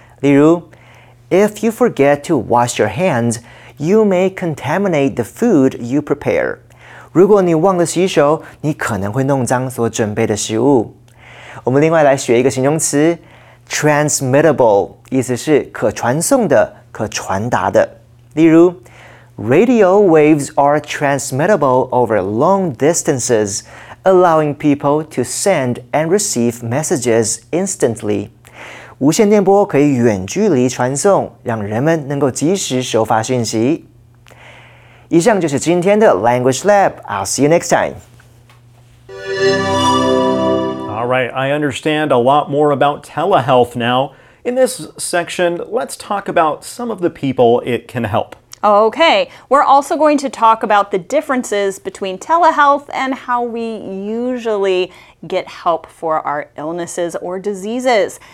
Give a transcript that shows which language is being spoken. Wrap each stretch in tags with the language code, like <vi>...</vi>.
<zh>例如</zh> <en>，If you forget to wash your hands, you may contaminate the food you prepare.</en> <zh>如果你忘了洗手，你可能会弄脏所准备的食物。我们另外来学一个形容词 ，transmittable， 意思是可传送的、可传达的。例如</zh> <en>，Radio waves are transmittable over long distances, allowing people to send and receive messages instantly.</en> <zh>无线电波可以远距离传送，让人们能够及时收发讯息。以上就是今天的</zh> <en>Language Lab. I'll see you next time. All right, I understand a lot more about telehealth now. In this section, let's talk about some of the people it can help. Okay, we're also going to talk about the differences between telehealth and how we usually get help for our illnesses or diseases.</en>